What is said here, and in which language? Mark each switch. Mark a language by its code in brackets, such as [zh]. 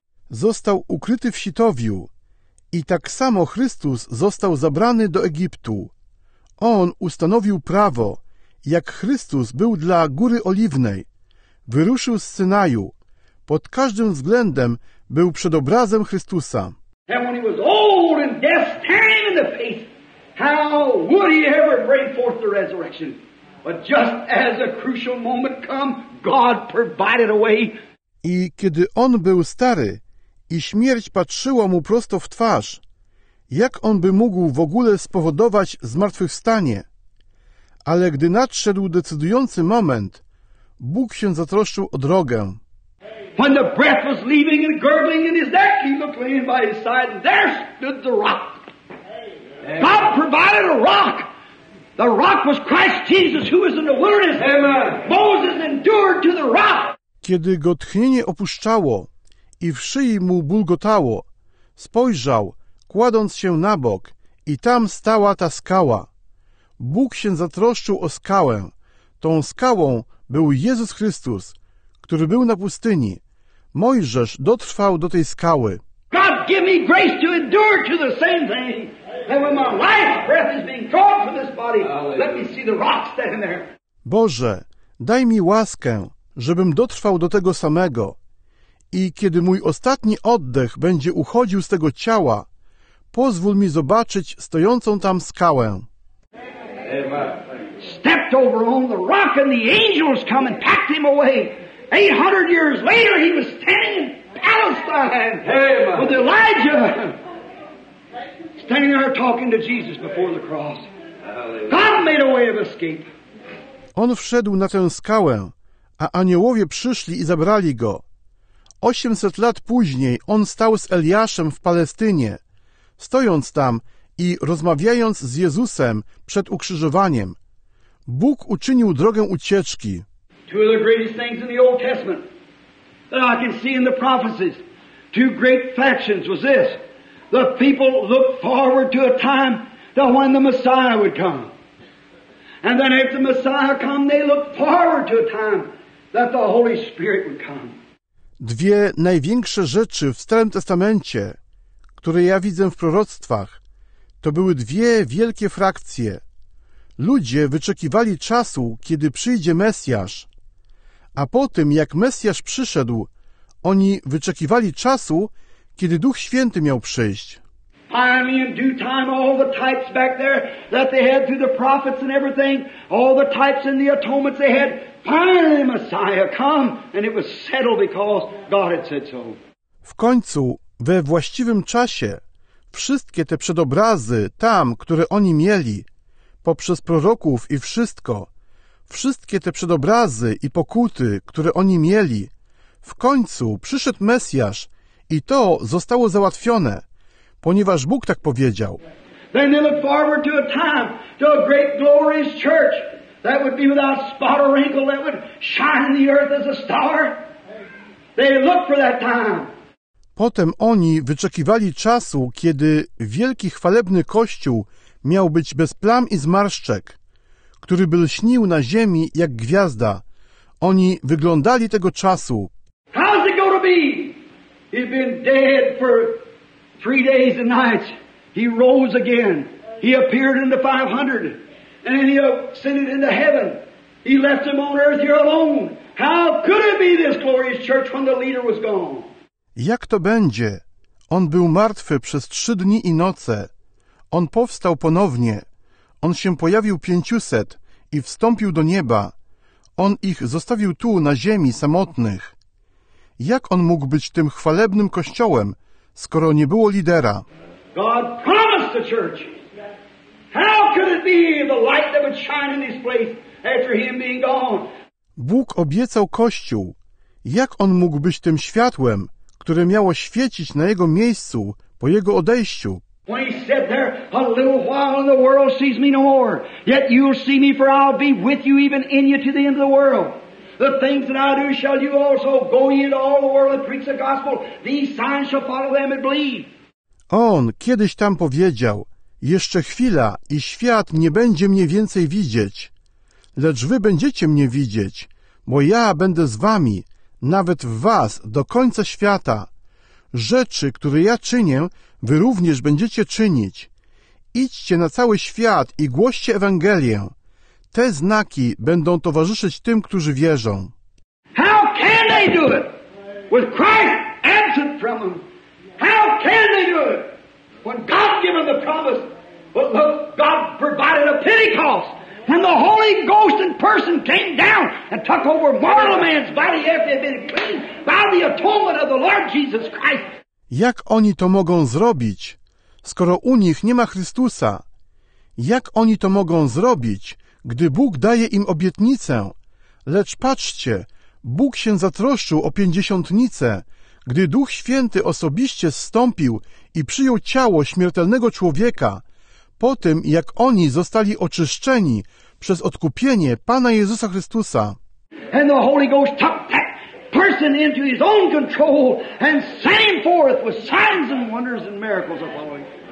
[pl] Został ukryty w sitowiu i tak samo Chrystus został zabrany do Egiptu. On ustanowił prawo, jak Chrystus był dla Góry Oliwnej. Wyruszył z Synaju. Pod każdym względem był przedobrazem Chrystusa. [en] And when he was old and death staring in the face, how would he ever bring forth the resurrection? But just as a crucial moment come, God provided a way. [pl] I kiedy on był stary i śmierć patrzyła mu prosto w twarz, jak on by mógł w ogóle spowodować zmartwychwstanie? Ale gdy nadszedł decydujący moment, Bóg się zatroszczył o drogę. [en] When the breath was leaving and gurgling in his neck, he looked lean by his side, and there stood the rock. God provided a rock. The rock was Christ Jesus, who was in the wilderness. Amen. Moses endured to the rock. [pl] Kiedy go tchnienie opuszczało i w szyi mu bulgotało, spojrzał, kładąc się na bok, i tam stała ta skała. Bóg się zatroszczył o skałę. Tą skałą był Jezus Chrystus, który był na pustyni. Mojżesz dotrwał do tej skały. [en] God, give me grace to endure to the same thing. And when my life's breath is being drawn from this body, let me see the rock standing there. [pl] Boże, daj mi łaskę, żebym dotrwał do tego samego. I kiedy mój ostatni oddech będzie uchodził z tego ciała, pozwól mi zobaczyć stojącą tam skałę. [en] Amen. Stepped over on the rock and the angels come and packed him away. 800 years later he was standing in Palestine. Amen. With Elijah. Standing there talking to Jesus before the cross. God made a way of escape. [pl] On wszedł na tę skałę, a aniołowie przyszli i zabrali go. 800 lat później on stał z Eliaszem w Palestynie, stojąc tam i rozmawiając z Jezusem przed ukrzyżowaniem. Bóg uczynił drogę ucieczki. [en] Two of the greatest things in the Old Testament that I can see in the prophecies, two great factions was this. The people looked forward to a time that when the Messiah would come. And then if the Messiah come, they looked forward to a time that the Holy Spirit would come. [pl] Dwie największe rzeczy w Starym Testamencie, które ja widzę w proroctwach, to były dwie wielkie frakcje. Ludzie wyczekiwali czasu, kiedy przyjdzie Mesjasz, a po tym, jak Mesjasz przyszedł, oni wyczekiwali czasu, kiedy Duch Święty miał przyjść. [en] Finally, in due time, all the types back there that they had through the prophets and everything, all the types in the atonements they had, finally Messiah come, and it was settled because God had said so. [pl] W końcu, we właściwym czasie, wszystkie te przedobrazy tam, które oni mieli, poprzez proroków i wszystko, wszystkie te przedobrazy i pokuty, które oni mieli, w końcu przyszedł Mesjasz i to zostało załatwione, ponieważ Bóg tak powiedział. [en] Then they look forward to a time, to a great glorious church that would be without spot or wrinkle, that would shine the earth as a star. They look for that time. [pl] Potem oni wyczekiwali czasu, kiedy wielki, chwalebny Kościół miał być bez plam i zmarszczek, który by lśnił na ziemi jak gwiazda. Oni wyglądali tego czasu. [en] How's it gonna be? He's been dead for 3 days and nights. He rose again. He appeared in the 500. And then he ascended into heaven. He left him on earth here alone. How could it be this glorious church when the leader was gone? [pl] Jak to będzie? On był martwy przez 3 dni i noce. On powstał ponownie. On się pojawił 500 i wstąpił do nieba. On ich zostawił tu, na ziemi, samotnych. Jak on mógł być tym chwalebnym kościołem, skoro nie było lidera? [en] God promised the church. How could it be the light that would shine in this place after him being gone? [pl] Bóg obiecał kościół. Jak on mógł być tym światłem, które miało świecić na jego miejscu po jego odejściu? [en] When he sat there, a little while and the world sees me no more. Yet you'll see me, for I'll be with you even in you to the end of the world. The things that I do shall you also go into all the world and preach the gospel. These signs shall follow them that believe. [pl] On kiedyś tam powiedział, jeszcze chwila i świat nie będzie mnie więcej widzieć. Lecz wy będziecie mnie widzieć, bo ja będę z wami, nawet w was, do końca świata. Rzeczy, które ja czynię, wy również będziecie czynić. Idźcie na cały świat i głoście Ewangelię. Te znaki będą towarzyszyć tym, którzy wierzą. [en] How can they do it? With Christ absent from them. How can they do it? When God gave them the promise. But look, God provided a Pentecost. When the Holy Ghost in person came down and took over mortal man's body after they had been cleaned by the atonement of the Lord Jesus Christ. [pl] Jak oni to mogą zrobić, skoro u nich nie ma Chrystusa? Jak oni to mogą zrobić, gdy Bóg daje im obietnicę? Lecz patrzcie, Bóg się zatroszczył o pięćdziesiątnicę, gdy Duch Święty osobiście zstąpił i przyjął ciało śmiertelnego człowieka, po tym, jak oni zostali oczyszczeni przez odkupienie Pana Jezusa Chrystusa. [en] And the Holy Ghost took that person into his own control and sent him forth with signs and wonders and miracles are following.